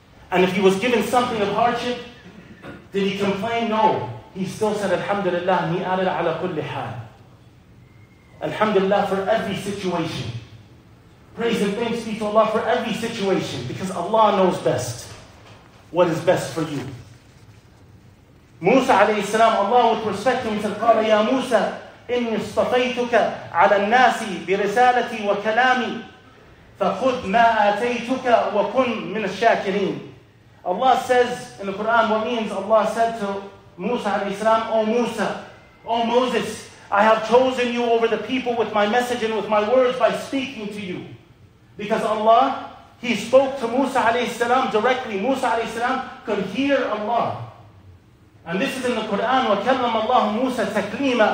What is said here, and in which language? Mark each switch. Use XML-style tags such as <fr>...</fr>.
<en>And if he was given something of hardship, did he complain? No. He still said Alhamdulillah and he added ala kulli hal. Alhamdulillah for every situation. Praise and thanks be to Allah for every situation, because Allah knows best what is best for you. Musa alayhi salam, Allah with respect to him, said,</en> <ar>قَالَ يَا مُوسَى إِنِّي اصْطَفَيْتُكَ عَلَى النَّاسِ بِرِسَالَتِي وَكَلَامِي فَخُذْ مَا آتَيْتُكَ وَكُنْ مِنَ الشَّاكِرِينَ.</ar> <en>Allah says in the Quran, what means Allah said to Musa alayhi salam, O Musa, O Moses, I have chosen you over the people with my message and with my words by speaking to you. Because Allah, he spoke to Musa alayhi salam directly. Musa alayhi salam could hear Allah. And this is in the Quran,</en> <ar>وَكَلَّمَ اللَّهُ مُوسَى تَكْلِيمًا.</ar>